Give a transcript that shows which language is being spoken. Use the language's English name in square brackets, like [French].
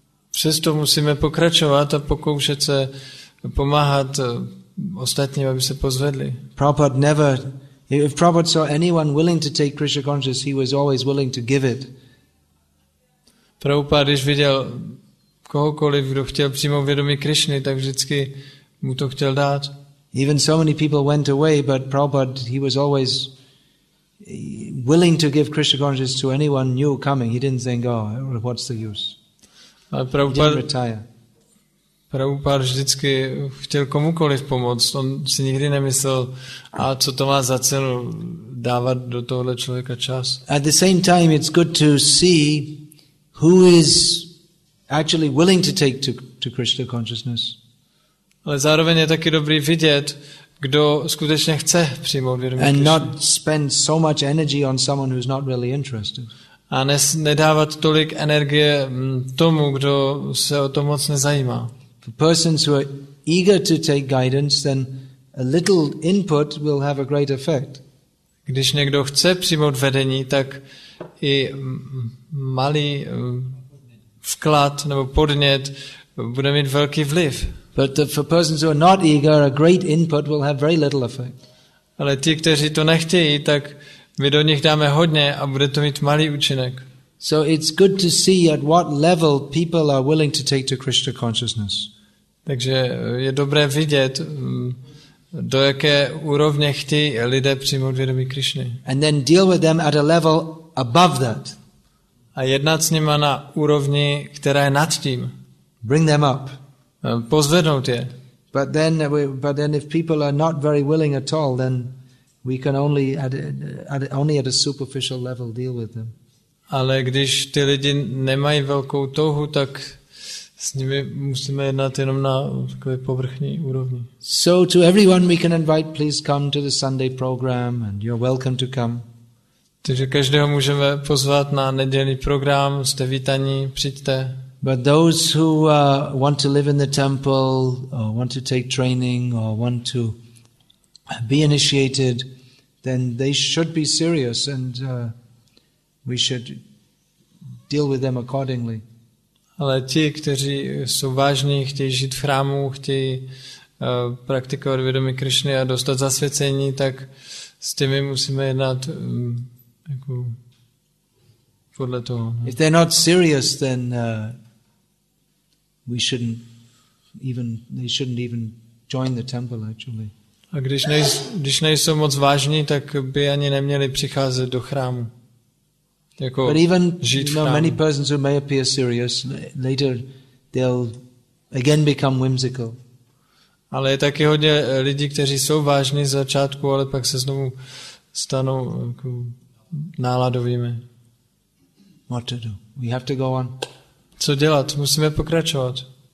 [Czech] Přesto musíme pokračovat a pokoušet se pomáhat ostatním, aby se pozvedli. [English] Prabhupada never, if Prabhupada saw anyone willing to take Krishna consciousness, he was always willing to give it. [Czech] Prabhupada, když viděl kohokoliv, kdo chtěl přímo vědomí Krišny, tak vždycky mu to chtěl dát. [English] Even so many people went away, but Prabhupada, he was always willing to give Krishna consciousness to anyone new coming. He didn't think, oh, what's the use? [Czech] Ale Prabhupada, [English] he didn't retire. [Czech] Prabhupada vždycky chtěl komukoliv pomoct. On si nikdy nemyslel, a co to má za cenu dávat do tohle člověka čas. [English] At the same time, it's good to see who is actually willing to take to Krishna consciousness. [Czech] Ale zároveň je taky dobrý vidět, kdo skutečně chce přijmout vědomí. [English] And not spend so much energy on someone who's not really interested. [Czech] A nedávat tolik energie tomu, kdo se o to moc nezajímá. [English] For persons who are eager to take guidance, then a little input will have a great effect. [Czech] Když někdo chce přijmout vedení, tak i malý vklad nebo podnět bude mít velký vliv. [English] But for persons who are not eager, a great input will have very little effect. [Czech] Ale ti, kteří to nechtějí, tak my do nich dáme hodně a bude to mít malý účinek. [English] So it's good to see at what level people are willing to take to Krishna consciousness. [Czech] Takže je dobré vidět, do jaké úrovně chtějí lidé přijmout vědomí Krišny. [English] And then deal with them at a level above that. [Czech] A jednat s nima na úrovni, která je nad tím. [English] Bring them up. [Czech] Pozvednout je. [English] But then if people are not very willing at all, then we can only at a superficial level deal with them. [Czech] Ale když ty lidi nemají velkou touhu, tak s nimi musíme jednat jenom na takové povrchní úrovni. [English] So to everyone we can invite, please come to the Sunday program and you're welcome to come. [Czech] Takže každého můžeme pozvat na nedělní program, jste vítaní, přijďte. [English] But those who want to live in the temple or want to take training or want to be initiated, then they should be serious and we should deal with them accordingly. [Czech] Ale ti, kteří jsou vážní, chtějí žít v chrámu, chtějí praktikovat vědomí Krišny a dostat zasvěcení, tak s těmi musíme jednat jako podle toho. Ne? [English] If they're not serious, then they shouldn't even join the temple actually. [Czech] A když nejsou moc vážní, tak by ani neměli přicházet do chrámu. Jako [English] but even many persons who may appear serious later they'll again become whimsical. [Czech] Ale je taky hodně lidí, kteří jsou vážní z začátku, ale pak se znovu stanou jako náladovými. [English] What to do? We have to go on. [Czech] Co dělat? Musíme pokračovat.